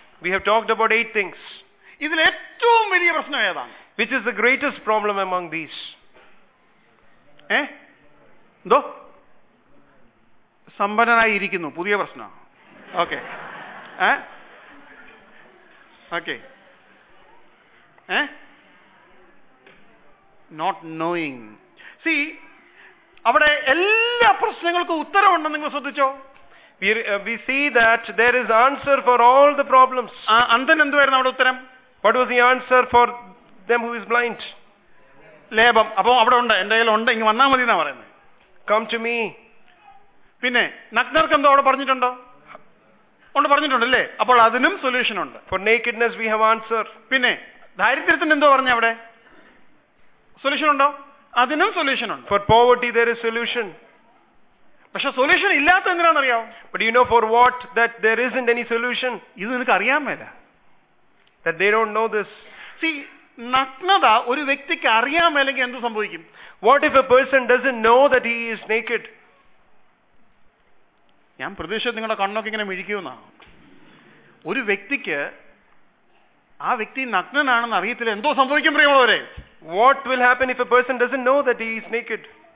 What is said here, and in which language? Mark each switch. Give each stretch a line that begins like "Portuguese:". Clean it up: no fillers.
English: We have talked about 8 things.
Malayalam: ഇതിൽ ഏറ്റവും വലിയ പ്രശ്നം ഏതാണ്?
English: Which is the greatest problem among these?
Malayalam: എന്തോ സമ്പന്നനായിരിക്കുന്നു, പുതിയ പ്രശ്നമാണ്.
English: Okay, okay, not knowing.
Malayalam: C, അവിടെ എല്ലാ പ്രശ്നങ്ങൾക്കും ഉത്തരമുണ്ടെന്ന് നിങ്ങൾ ശ്രദ്ധിച്ചോ?
English: We see that there is answer for all the problems.
Malayalam: അന്ധൻ എന്തുവായിരുന്നു അവിടെ ഉത്തരം?
English: What was the answer for them who is blind?
Malayalam: ലേപം. അപ്പോ അവിടെ ഉണ്ട്, എന്റെ കയ്യിൽ ഉണ്ട്, ഇങ്ങ് വന്നാൽ മതി എന്നാ പറയുന്നത്.
English: Come to me.
Malayalam: പിന്നെ നഗ്നർക്ക് എന്തോ അവിടെ പറഞ്ഞിട്ടുണ്ടോ? ഉണ്ട്, പറഞ്ഞിട്ടുണ്ടല്ലേ. അപ്പോൾ അതിനും സൊല്യൂഷൻ ഉണ്ട്.
English: For nakedness we have answer.
Malayalam: പിന്നെ ദാരിദ്ര്യത്തിന് എന്തോ പറഞ്ഞ അവിടെ സൊല്യൂഷൻ ഉണ്ടോ? അതിനും സൊല്യൂഷൻ ഉണ്ട്.
English: For poverty there is solution.
Malayalam: പക്ഷെ സൊല്യൂഷൻ ഇല്ലാത്ത എന്തിനാണെന്നറിയാമോ?
English: But you know for what that there isn't any solution.
Malayalam: ഇത് നിനക്ക് അറിയാമേല.
English: That they don't know this.
Malayalam: See, നഗ്നത ഒരു വ്യക്തിക്ക് അറിയാമല്ലെങ്കിൽ എന്ത് സംഭവിക്കും?
English: What if a person doesn't know that he is naked?
Malayalam: ഞാൻ പ്രതീക്ഷിച്ചത് നിങ്ങളുടെ കണ്ണൊക്കെ ഇങ്ങനെ മിഴിക്കുമെന്നാണ്. ഒരു വ്യക്തിക്ക് ആ വ്യക്തി നഗ്നനാണെന്ന് അറിയത്തില്ല, എന്തോ സംഭവിക്കും പ്രിയമുള്ളവരെ.
English: What will happen if a person doesn't know that he is naked?